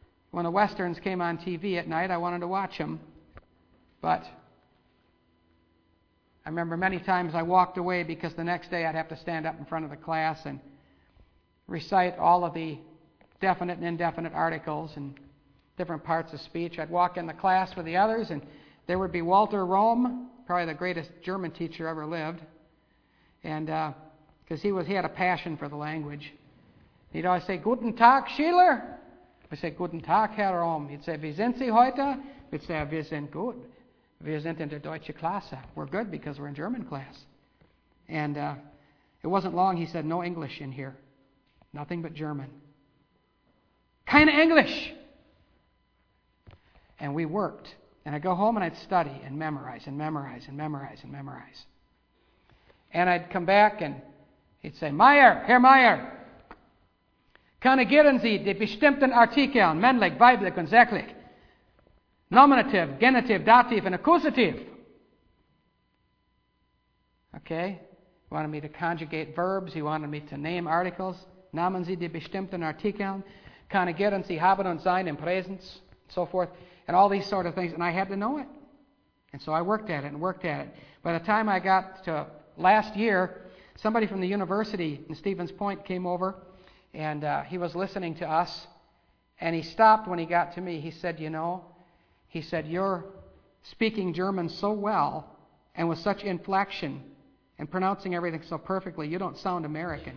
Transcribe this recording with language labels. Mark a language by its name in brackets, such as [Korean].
[English] When the Westerns came on TV at night, I wanted to watch them. But I remember many times I walked away because the next day I'd have to stand up in front of the class and recite all of the definite and indefinite articles and different parts of speech. I'd walk in the class with the others, and there would be Walter Röhm, probably the greatest German teacher ever lived, and because he had a passion for the language. He'd always say, [German] "Guten Tag, Schüler." [English] I'd say, [German] "Guten Tag, Herr Röhm." [English] He'd say, [German] "Wie sind Sie heute?" [English] We'd say, [German] "Wir sind gut. Wir sind in der deutschen Klasse." [English] We're good because we're in German class. And it wasn't long, he said, "No English in here. Nothing but German. [German] Kein Englisch." [English] And we worked. And I'd go home and I'd study and memorize and memorize and memorize and memorize. And I'd come back and he'd say, [German] "Meyer, Herr Meyer, korrigieren Sie die bestimmten Artikel, männlich, weiblich und sächlich. [English] Nominative, genitive, dative, and accusative." Okay? He wanted me to conjugate verbs. He wanted me to name articles. [German] "Namen Sie die bestimmten Artikel, korrigieren Sie haben und sein im Präsens," [English] so forth. And all these sort of things, and I had to know it. And so I worked at it and worked at it. By the time I got to last year, somebody from the university in Stevens Point came over, and he was listening to us, and he stopped when he got to me. He said, "You know," he said, "you're speaking German so well and with such inflection and pronouncing everything so perfectly, you don't sound American."